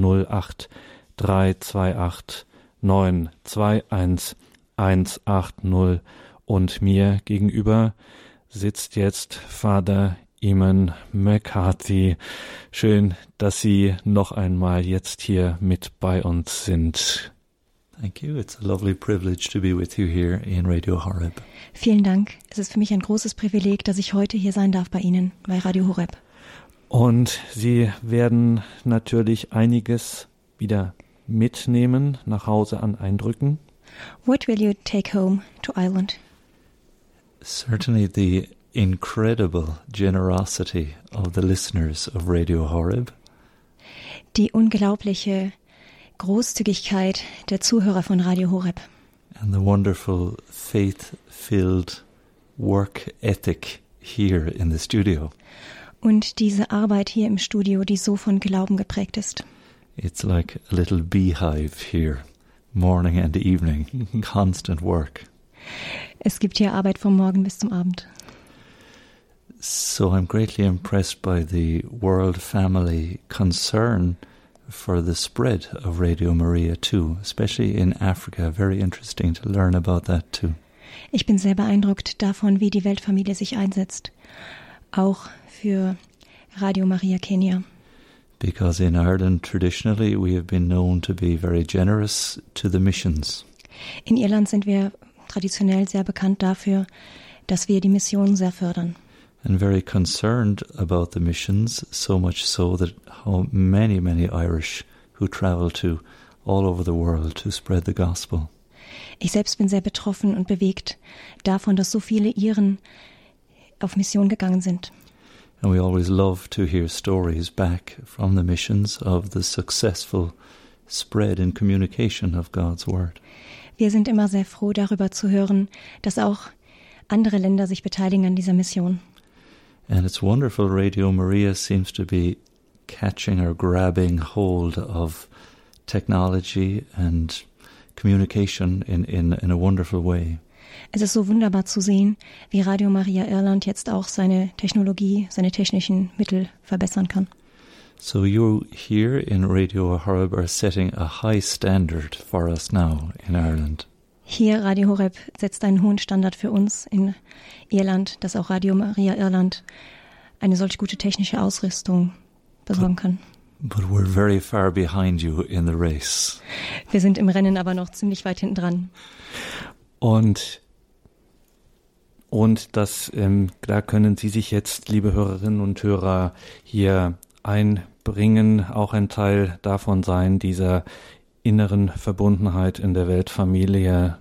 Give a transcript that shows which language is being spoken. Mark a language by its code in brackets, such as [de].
[de] 083 28 921 180. Und mir gegenüber sitzt jetzt Father Eamon McCarthy. Schön, dass Sie noch einmal jetzt hier mit bei uns sind. [en] Thank you. It's a lovely privilege to be with you here in Radio Horeb. [de] Vielen Dank. Es ist für mich ein großes Privileg, dass ich heute hier sein darf bei Ihnen bei Radio Horeb. Und Sie werden natürlich einiges wieder mitnehmen nach Hause an Eindrücken. [en] What will you take home to Ireland? Certainly the incredible generosity of the listeners of Radio Horeb. [de] Die unglaubliche Großzügigkeit der Zuhörer von Radio Horeb. [en] And the wonderful faith-filled work ethic here in the studio. [de] Und diese Arbeit hier im Studio, die so von Glauben geprägt ist. [en] It's like a little beehive here, morning and evening, constant work. [de] Es gibt hier Arbeit vom Morgen bis zum Abend. [en] So I'm greatly impressed by the World Family concern for the spread of Radio Maria too, especially in Africa. Very interesting to learn about that too. [de] Ich bin sehr beeindruckt davon, wie die Weltfamilie sich einsetzt, auch für Radio Maria Kenia. [en] Because in Ireland traditionally we have been known to be very generous to the missions. [de] In Irland sind wir traditionell sehr bekannt dafür, dass wir die Missionen sehr fördern. [en] And very concerned about the missions, so much so that how many, many Irish who travel to all over the world to spread the gospel. [de] Ich selbst bin sehr betroffen und bewegt davon, dass so viele Iren auf Mission gegangen sind. [en] And we always love to hear stories back from the missions of the successful spread and communication of God's word. [de] Wir sind immer sehr froh darüber zu hören, dass auch andere Länder sich beteiligen an dieser Mission. [en] And it's wonderful, Radio Maria seems to be catching or grabbing hold of technology and communication in a wonderful way. [de] Es ist so wunderbar zu sehen, wie Radio Maria Irland jetzt auch seine Technologie, seine technischen Mittel verbessern kann. [en] So you here in Radio Horeb are setting a high standard for us now in Ireland. [de] Hier Radio Horeb setzt einen hohen Standard für uns in Irland, dass auch Radio Maria Irland eine solch gute technische Ausrüstung besorgen kann. [en] But we're very far behind you in the race. [de] Wir sind im Rennen aber noch ziemlich weit hinten dran. Und da können Sie sich jetzt, liebe Hörerinnen und Hörer, hier einbringen, auch ein Teil davon sein, dieser inneren Verbundenheit in der Weltfamilie.